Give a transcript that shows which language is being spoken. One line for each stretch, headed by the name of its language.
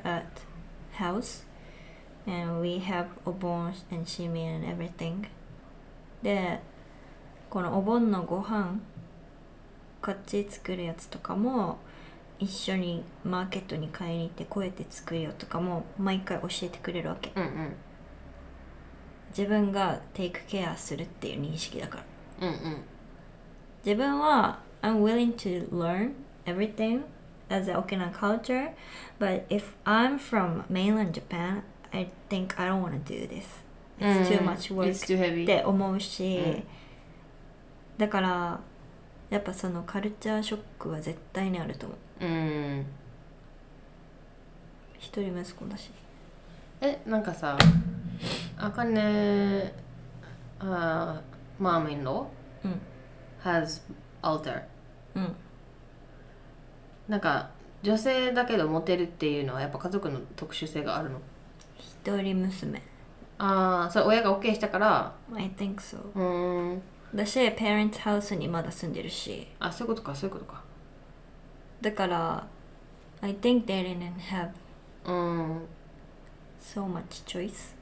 English: at house, and we have obon and shimi and everything.
Japanese: で、このお盆のご飯、こっち作るやつとかも一緒にマーケットに買いに行ってこうやって作るよとかも毎回教えてくれるわけ。うんうん。自分がテイクケアするっていう認識だから。うんうん。
English: 自分はI'm willing to learn everything as an Okinawan culture, but if I'm from mainland Japan, I think I don't want to do this. It's too much work. It's too heavy.
Japanese: って思うし、だからやっぱそのカルチャーショックは絶対にあると思う。一人息子だし。
English: え、なんかさ、あかね、mom-in-law has altar. うん、
Japanese: なんか女性だけどモテるっていうのはやっぱ家族の特殊性があるの？一人娘。ああ、それ親が OK したから。
English: I think so. うーん。
Japanese: 私、パレンツハウスにまだ住んでるし。あ、そういうことか、そういうことか。
English: だから、I think they didn't have so much choice.